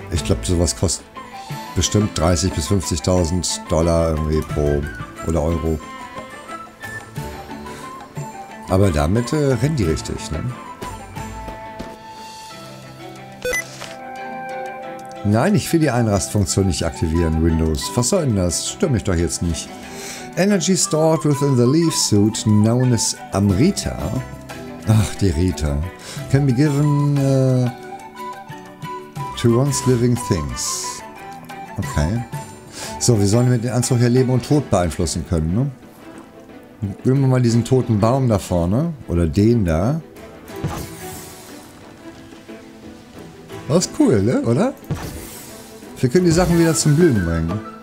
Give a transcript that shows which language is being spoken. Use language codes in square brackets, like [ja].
[de] Ich glaube, sowas kostet bestimmt 30.000 bis 50.000 Dollar irgendwie pro oder Euro. Aber damit rennen die richtig. Ne? Nein, ich will die Einrastfunktion nicht aktivieren, Windows. Was soll denn das? Stört mich doch jetzt nicht. [en] Energy stored within the leaf suit known as Amrita [de] Ach, die Rita. [en] Can be given to once living things. Okay. [de] So, wir sollen mit dem Anzug hier Leben und Tod beeinflussen können, ne? Nehmen wir mal diesen toten Baum da vorne. Oder den da. Das ist cool, ne? Oder? Wir können die Sachen wieder zum Blühen bringen.